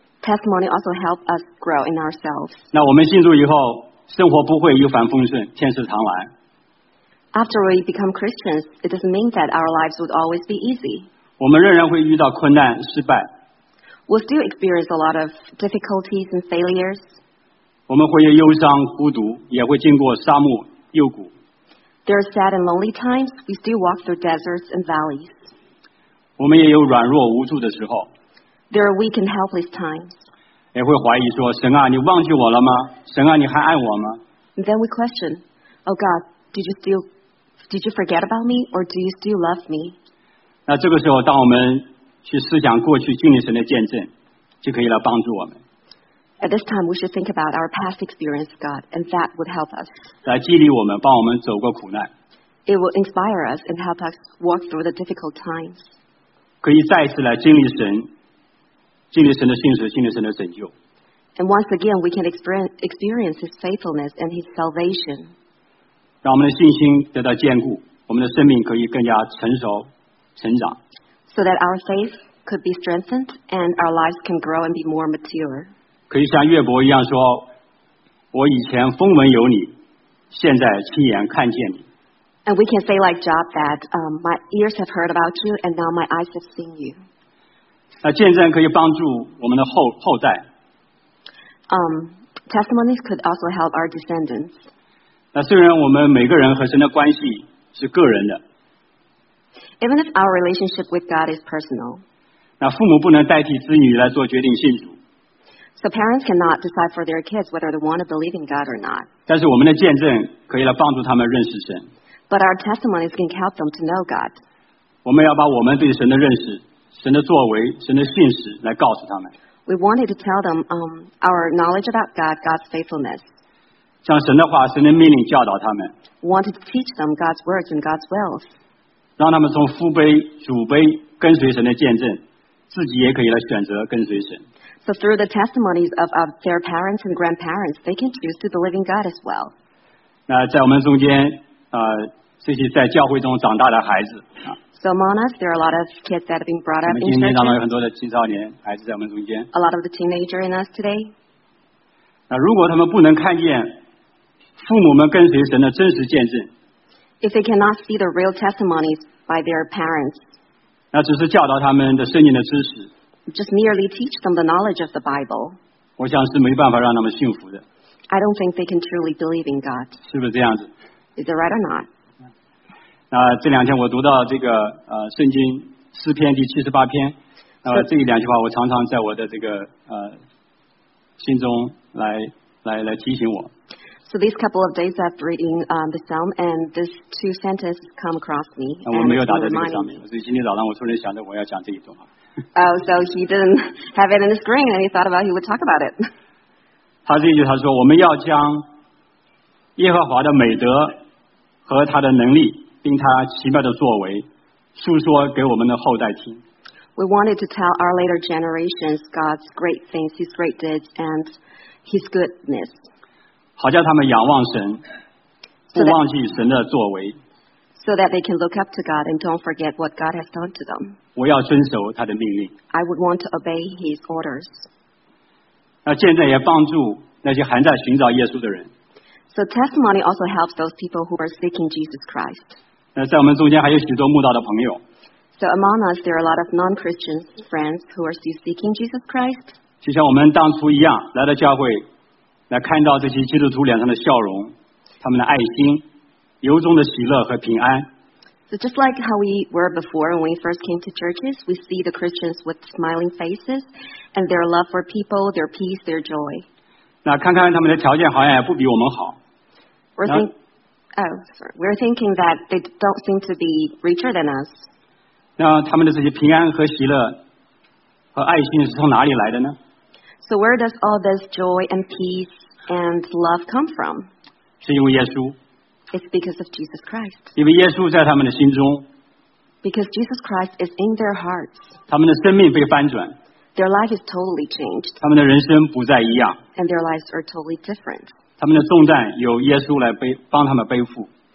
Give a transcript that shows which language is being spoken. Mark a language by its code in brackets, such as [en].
[en] Testimony also helps us grow in ourselves. [zh] 那我们信主以后，生活不会一帆风顺，天使常来。 [en] After we become Christians, it doesn't mean that our lives would always be easy. [zh] 我们仍然会遇到困难、失败。 [en] We'll still experience a lot of difficulties and failures. [zh] 我们会有忧伤、孤独，也会经过沙漠、幽谷。 [en] There are sad and lonely times. We still walk through deserts and valleys. [zh] 我们也有软弱无助的时候。 [en] There are weak and helpless times. [zh] 也会怀疑说：“神啊，你忘记我了吗？神啊，你还爱我吗？” [en] And then we question, "Oh God, did you forget about me, or do you still love me?" [zh] 那这个时候，当我们去思想过去经历神的见证，就可以来帮助我们。 [en] At this time, we should think about our past experience, God, and that would help us. [zh] 来激励我们，帮我们走过苦难。 [en] It will inspire us and help us walk through the difficult times. [zh] 可以再次来经历神，经历神的信实，经历神的拯救。 [en] And once again, we can experience His faithfulness and His salvation. [zh] 让我们的信心得到坚固，我们的生命可以更加成熟、成长。 [en] So that our faith could be strengthened and our lives can grow and be more mature. [zh] 可以像约伯一样说，我以前风闻有你，现在亲眼看见你。 [en] And we can say like Job that, my ears have heard about you, and now my eyes have seen you. [zh] 那见证可以帮助我们的后代。 [en] Testimonies could also help our descendants. [zh] 那虽然我们每个人和神的关系是个人的。 [en] Even if our relationship with God is personal. [zh] 那父母不能代替子女来做决定信主。 [en] So parents cannot decide for their kids whether they want to believe in God or not. [zh] 但是我们的见证可以来帮助他们认识神。 [en] But our testimonies can help them to know God. [zh] 我们要把我们对神的认识、神的作为、神的信实来告诉他们。 [en] We wanted to tell them our knowledge about God, God's faithfulness. [zh] 将神的话、神的命令教导他们。 [en] We wanted to teach them God's words and God's wills. [zh] 让他们从父辈、祖辈跟随神的见证，自己也可以来选择跟随神。 [en] So through the testimonies of their parents and grandparents, they can choose to believe in God as well. [zh] 那在我们中间，这些在教会中长大的孩子。 [en] So among us, there are a lot of kids that have been brought up in church. [zh] 我们今天当中有很多的青少年孩子在我们中间。 [en] A lot of the teenagers in us today. [zh] 那如果他们不能看见父母们跟随神的真实见证。 [en] If they cannot see the real testimonies by their parents. [zh] 那只是教导他们的圣经的知识。 [en] Just merely teach them the knowledge of the Bible. [zh] 我想是没办法让他们幸福的。 [en] I don't think they can truly believe in God. [zh] 是不是这样子？ [en] Is it right or not? [zh] 那这两天我读到这个圣经诗篇第七十八篇，这两句话我常常在我的这个心中来提醒我。 [en] So these couple of days I've reading the psalm and these two sentences come across me. [zh] 我没有打在这个上面，所以今天早上我突然想着我要讲这一段话。 [en] Oh, so he didn't have it in the screen and he thought about he would talk about it. [zh] 他这一句他说我们要将耶和华的美德和他的能力并他奇妙的作为述说给我们的后代听。 [en] We wanted to tell our later generations God's great things, His great deeds, and His goodness. [zh] 好叫他们仰望神，不忘记神的作为。 [en] So that they can look up to God and don't forget what God has done to them. [zh] 我要遵守他的命令。 [en] I would want to obey His orders. [zh] 那见证也帮助那些还在寻找耶稣的人。 [en] So testimony also helps those people who are seeking Jesus Christ. [zh] 那在我们中间还有许多慕道的朋友。 [en] So among us, there are a lot of non-Christian friends who are still seeking Jesus Christ. [zh] 就像我们当初一样，来到教会，来看到这些基督徒脸上的笑容，他们的爱心，由衷的喜乐和平安。 [en] So just like how we were before when we first came to churches, we see the Christians with smiling faces and their love for people, their peace, their joy. [zh] 那看看他们的条件好像也不比我们好。 [en] We're thinking that they don't seem to be richer than us. [zh] 那他们的这些平安和喜乐和爱心是从哪里来的呢？ [en] So where does all this joy and peace and love come from? [zh] 是因为耶稣。 [en] It's because of Jesus Christ. [zh] 因为耶稣在他们的心中。 [en] Because Jesus Christ is in their hearts. [zh] 他们的生命被翻转。 [en] Their life is totally changed. [zh] 他们的人生不再一样。 [en] And their lives are totally different. [zh] 他们的重担由耶稣来帮他们背负。